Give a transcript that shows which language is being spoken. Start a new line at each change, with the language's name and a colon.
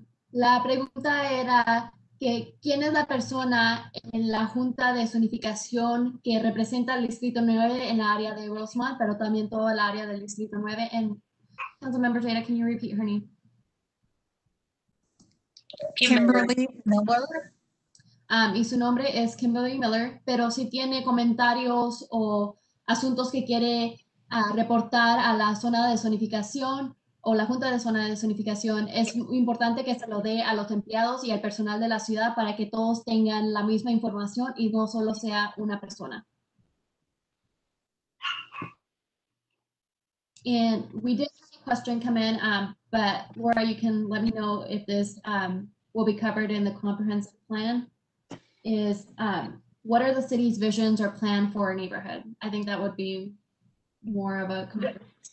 Spanish: La pregunta era que quién es la persona en la junta de zonificación que representa el Distrito 9 en la área de Rosemont, pero también toda la área del Distrito 9.
English: And Councilmember Jada, can you repeat her name? Kimberly Miller.
Spanish: Y su nombre es Kimberly Miller, pero si tiene comentarios o asuntos que quiere reportar a la zona de zonificación o la junta de zona de zonificación, es importante que se lo dé a los empleados y al personal de la ciudad para que todos tengan la misma información y no solo sea una persona.
English: And we did have a question come in, but Laura, you can let me know if this will be covered in the comprehensive plan, is what are the city's visions or plan for a neighborhood? I think that would be more of a comprehensive.